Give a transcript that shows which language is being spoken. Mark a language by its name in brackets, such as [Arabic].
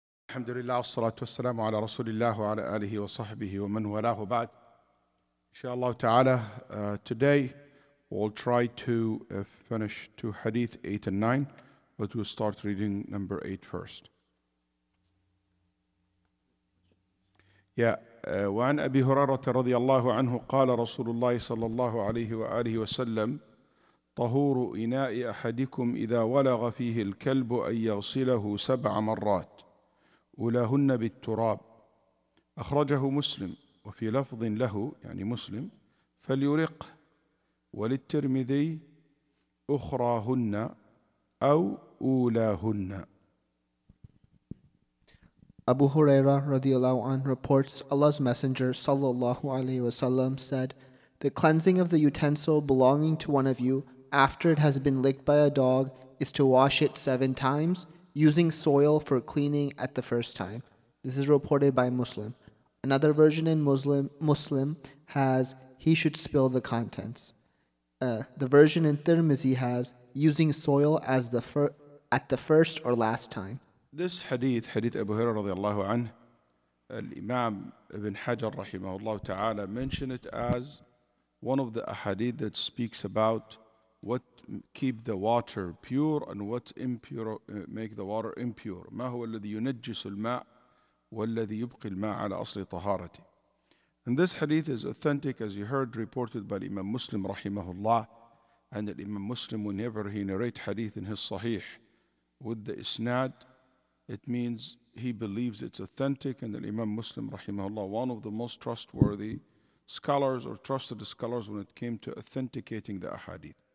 [Arabic] الحمد لله والصلاة والسلام على رسول الله وعلى آله وصحبه ومن والاه بعد. إن شاء الله تعالى. [English] Today we'll try to finish two hadith 8 and 9, but we'll start reading number 8 first. Yeah. [Arabic] وعن أبي هريرة رضي الله عنه قال رسول الله صلى الله عليه وآله وسلم طهور إناء أحدكم إذا ولغ فيه الكلب أن يغسله 7 مرات أولاهن بالتراب. أخرجه مسلم وفي لفظ له يعني مسلم فليرق، وللترمذي أخراهن أو أولاهن. [English] Abu Huraira radiallahu anhu reports Allah's Messenger sallallahu alaihi wasallam said, "The cleansing of the utensil belonging to one of you after it has been licked by a dog is to wash it 7 times, using soil for cleaning at the first time." This is reported by Muslim. Another version in Muslim has, "He should spill the contents." The version in Tirmizi has, "Using soil as the at the first or last time." This hadith, hadith Abu Hurairah radiallahu anhu, Imam Ibn Hajar rahimahullah ta'ala mentioned it as one of the hadith that speaks about what keep the water pure and what impure make the water impure. [Arabic] ما هو الذي ينجس الماء والذي يبقي الماء على أصل طهارتي. [English] And this hadith is authentic, as you heard reported by Imam Muslim rahimahullah, and that Imam Muslim, whenever he narrates hadith in his sahih with the isnad, it means he believes it's authentic, and that Imam Muslim rahimahullah, one of the most trustworthy scholars or trusted scholars when it came to authenticating the ahadith.